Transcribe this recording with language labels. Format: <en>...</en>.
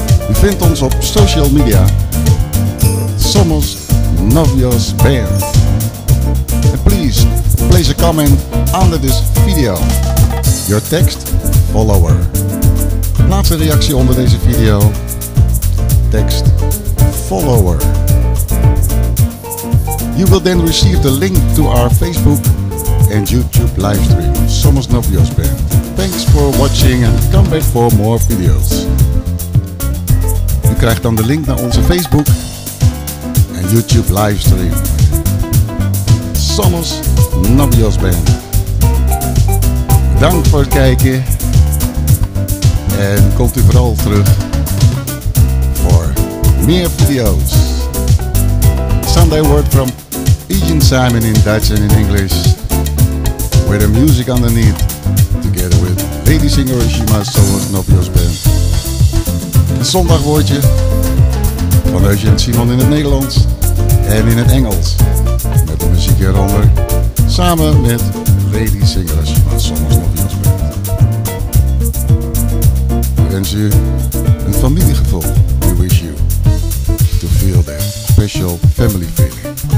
<nl>U vindt ons op social media, Somos Novios Band.</nl> <en>And please place a comment under this video, your text follower.</en> <nl>Plaats een reactie onder deze video, text follower.</nl> <en>You will then receive the link to our Facebook and YouTube live stream, Somos Novios Band. Thanks for watching and come back for more videos.</en> <nl>U krijgt dan de link naar onze Facebook en YouTube live stream, Somos Novios Band. Dank voor het kijken en komt u vooral terug voor meer video's.</nl> <en>Sunday word from Eugene Simon in Dutch and in English, with the music underneath, together with Lady Señora Shima, Somos Novios Band.</en> <nl>Een zondagwoordje van Eugene Simon in het Nederlands en in het Engels, met de muziek eronder, samen met Lady Señora Shima, Somos Novios Band. We wensen u een familiegevoel.</nl> <en>We wish you to feel that special family feeling.</en>